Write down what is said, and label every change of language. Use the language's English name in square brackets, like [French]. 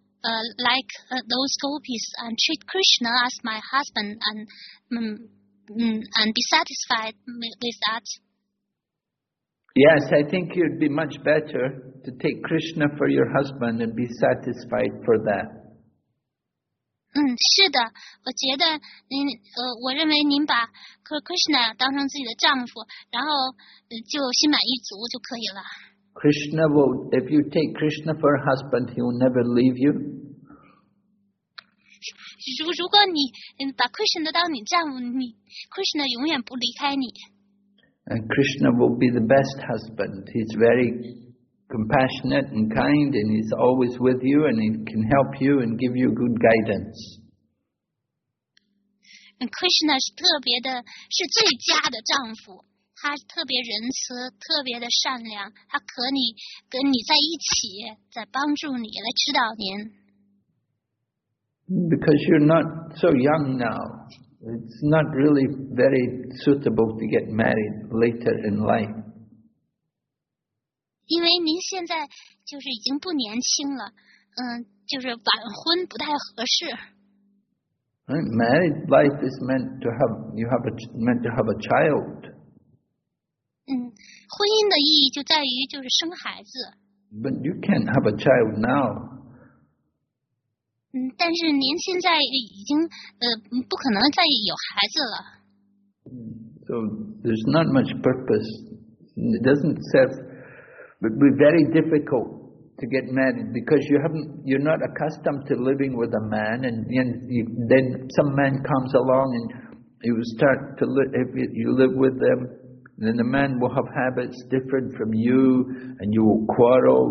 [English] those gopis and treat Krishna as my husband and be satisfied with that? Yes, I think it would be much better to take Krishna for your husband and be satisfied for that. [Chinese] 嗯，是的，我觉得您我认为您把 Krishna 当成自己的丈夫，然后就心满意足就可以了。 [English] Krishna will, if you take Krishna for a husband, he will never leave you. [Chinese] 如果你把 Krishna 当你丈夫，你 Krishna 永远不离开你。 [English] And Krishna will be the best husband. He's very compassionate and kind, and he's always with you, and he can help you and give you good guidance. And [Chinese] Krishna 是特别的，是最佳的丈夫。他特别仁慈，特别的善良。他和你跟你在一起，在帮助你，来指导您。 [English] Because you're not so young now, it's not really very suitable to get married later in life. [Chinese] 因为您现在就是已经不年轻了，就是晚婚不太合适。 [English] Right? Married life is meant to have, meant to have a child. [Chinese] 嗯，婚姻的意义就在于就是生孩子。 [English] But you can't have a child now. [Chinese] 嗯，但是您现在已经不可能再有孩子了。 [English] So there's not much purpose. It doesn't serve. It would be very difficult to get married because you're not accustomed to living with a man, and then some man comes along and you start to if you live with them, then the man will have habits different from you, and you will quarrel.